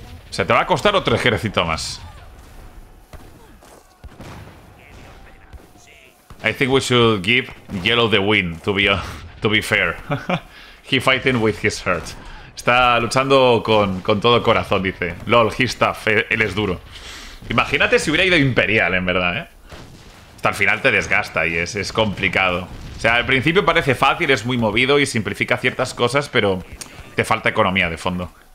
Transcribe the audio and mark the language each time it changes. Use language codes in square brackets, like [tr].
[es] O sea, te va a costar otro ejército más. [en] I think we should give Yellow the win, to be fair. He fighting with his heart. [es] Está luchando con todo corazón, dice. [en] Lol, he's tough, [es] él es duro. Imagínate si hubiera ido Imperial, en verdad, ¿eh? Hasta el final te desgasta y es complicado. O sea, al principio parece fácil, es muy movido y simplifica ciertas cosas, pero te falta economía de fondo.